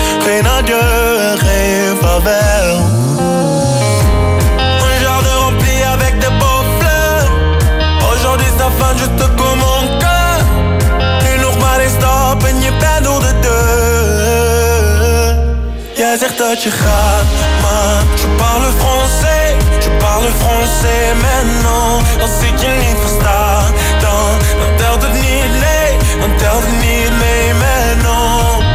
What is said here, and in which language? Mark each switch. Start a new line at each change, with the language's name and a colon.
Dutch: Geen adieu, geen vaarwel.
French: Un jour de rempli avec des beaux fleurs. Aujourd'hui ça va juste comme mon cœur.
Dutch: Nu nog maar eens stappen, je bent door de deur. Jij zegt dat je gaat, maar
French: je parle français. Je parle français, mais non,
Dutch: als ik je niet versta. Dan telt het niet, nee, dan telt het niet mee,
French: mais non.